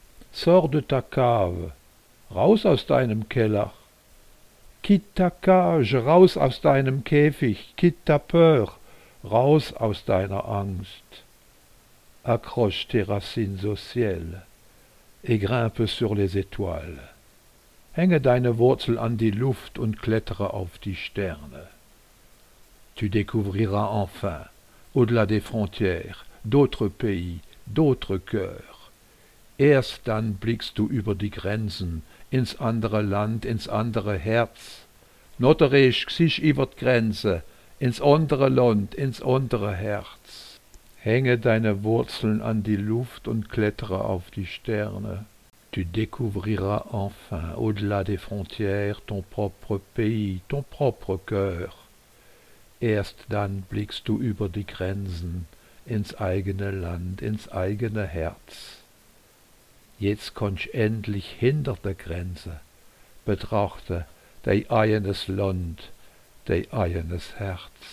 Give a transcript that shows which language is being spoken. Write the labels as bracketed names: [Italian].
[French] Sors de ta cave, [German] raus aus deinem Keller. [French] Quitte ta cage, [German] raus aus deinem Käfig, [French] quitte ta peur, [German] raus aus deiner Angst. [French] Accroche tes racines au ciel et grimpe sur les étoiles. [German] Hänge deine Wurzel an die Luft und klettere auf die Sterne. [French] Tu découvriras enfin, au-delà des frontières, d'autres pays, d'autres cœurs. [German] Erst dann blickst du über die Grenzen, ins andere Land, ins andere Herz. [Swiss German] Notterisch gsisch iwer d'Grenze, ins andere Land, ins andere Herz. [German] Hänge deine Wurzeln an die Luft und klettere auf die Sterne. [French] Tu découvriras enfin, au-delà des frontières, ton propre pays, ton propre cœur. [German] Erst dann blickst du über die Grenzen, ins eigene Land, ins eigene Herz. Jetzt kommst endlich hinter der Grenze, betrachte dein eigenes Land, dein eigenes Herz.